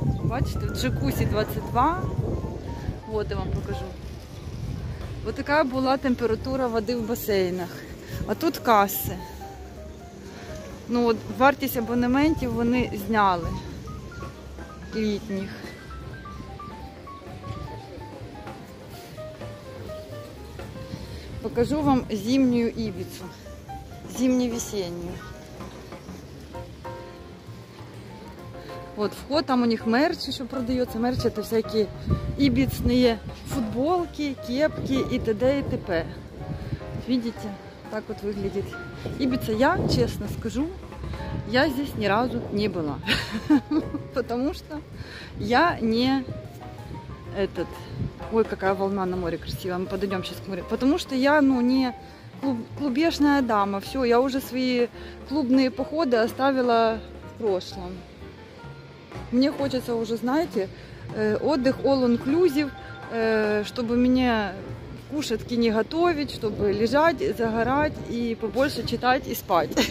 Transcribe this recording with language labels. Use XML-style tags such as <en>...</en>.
<uk>Бачите,</uk> <ru>в джакузи 22. Вот я вам покажу. Вот такая была температура воды в бассейнах. А тут касси.</ru> <uk>Ну от вартість абонементів вони зняли. Літніх.</uk> <ru>Покажу вам зимнюю Ібіцу. Зимньо-весенню.</ru> <uk>От вход, там у них мерч, що продається. Мерч – це всякі ібіцні футболки, кепки і т.д. і т.п.</uk> <ru>Видите,</ru> <uk>так от виглядить</uk> <ru>Ібіца.</ru> <uk>Я, чесно скажу, я</uk> <ru>здесь</ru> <uk>ні разу не була.</uk> <ru>Потому</ru> <uk>що</uk> <ru>я не этот...</ru> <uk>Ой, яка волна на морі красива, ми подійдемо зараз к морю.</uk> <ru>Потому</ru> <uk>що я, ну, не клубешна дама. Все, я вже свої клубні походи оставила</uk> <ru>в прошлом. Мне хочется уже, знаете, отдых all inclusive, чтобы мне кушатки не готовить, чтобы лежать, загорать и побольше читать и спать.</ru>